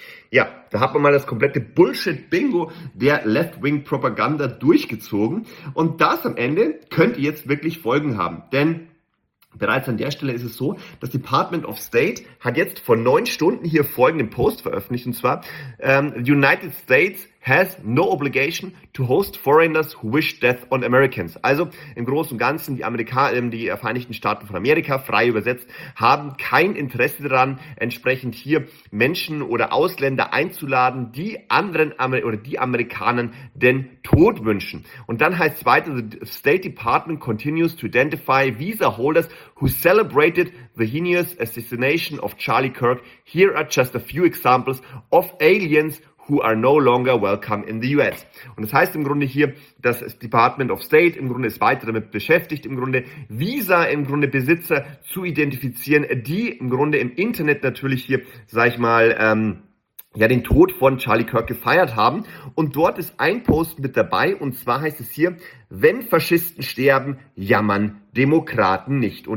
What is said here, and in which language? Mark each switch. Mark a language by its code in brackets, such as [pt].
[de] Ja, da hat man mal das komplette Bullshit-Bingo der Left-Wing-Propaganda durchgezogen. Und das am Ende könnte jetzt wirklich Folgen haben. Denn bereits an der Stelle ist es so, das Department of State hat jetzt vor 9 Stunden hier folgenden Post veröffentlicht. Und zwar, [en] the United States has no obligation to host foreigners who wish death on Americans. [de] Also im Großen und Ganzen, die Vereinigten Staaten von Amerika, frei übersetzt, haben kein Interesse daran, entsprechend hier Menschen oder Ausländer einzuladen, die anderen die Amerikanern den Tod wünschen. Und dann heißt es weiter, [en] the State Department continues to identify visa holders who celebrated the heinous assassination of Charlie Kirk. Here are just a few examples of aliens who are no longer welcome in the US. [de] Und das heißt im Grunde hier, das Department of State im Grunde ist weiter damit beschäftigt, im Grunde Visa, im Grunde Besitzer zu identifizieren, die im Grunde im Internet natürlich hier, sag ich mal, den Tod von Charlie Kirk gefeiert haben. Und dort ist ein Post mit dabei, und zwar heißt es hier, wenn Faschisten sterben, jammern Demokraten nicht.